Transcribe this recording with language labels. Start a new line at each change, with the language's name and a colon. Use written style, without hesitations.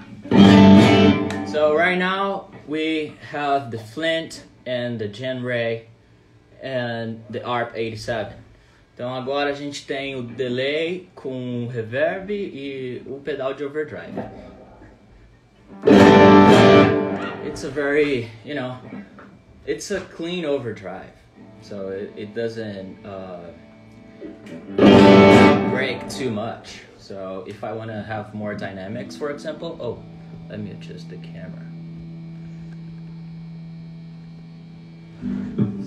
English: So right now we have the Flint and the Gen Ray and the ARP 87.
Portuguese: Então agora a gente tem o delay com o reverb e o pedal de overdrive.
English: It's a very, you know, it's a clean overdrive, so it doesn't break too much. So if I want to have more dynamics, for example, oh, let me adjust the camera.